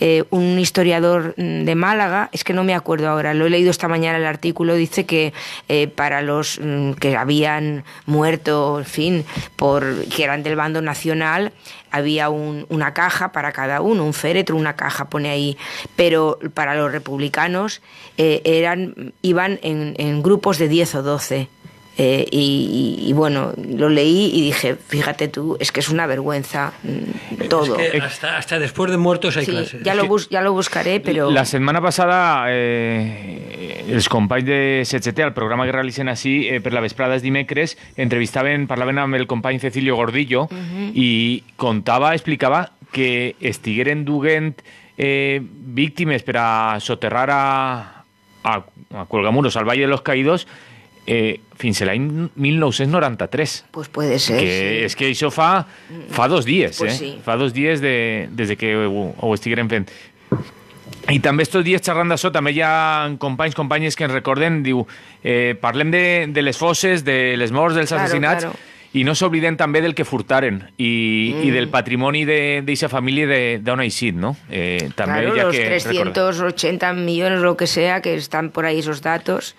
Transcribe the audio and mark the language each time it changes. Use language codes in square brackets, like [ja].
[es] Un historiador de Málaga, es que no me acuerdo ahora, lo he leído esta mañana el artículo, dice que para los que habían muerto, en fin, por que eran del bando nacional, había una caja para cada uno, un féretro, una caja pone ahí, pero para los republicanos iban en grupos de 10 o 12. Y bueno, lo leí y dije, fíjate tú, es que es una vergüenza todo. Es que hasta después de muertos hay, sí, clases. Ya lo buscaré, pero... [ca] La semana pasada, els companys de SGT, el programa que realicen així, per la vesprada es dimecres, parlaven amb el company Cecilio Gordillo, uh-huh, i explicava que estigueren duguent víctimes per a soterrar a Cuelgamuros, al Valle de los Caídos, fins a l'any 1993. [es] Pues puede ser. Que, sí. [ca] És que això fa dos dies, pues sí. Fa dos dies des de que ho estigueren fent. I també estos dies xerrant d'això, també hi ha companyes que ens recorden, diu, parlem de les fosses, de les morts, dels assassinats, [es] claro, claro. [ca] I no s'obliden també del que furtaren i del patrimoni d'aquesta família d'on ha eixit, no? També claro, los que 380 recorda. [es] Millones, lo que sea, que estan por ahí esos datos.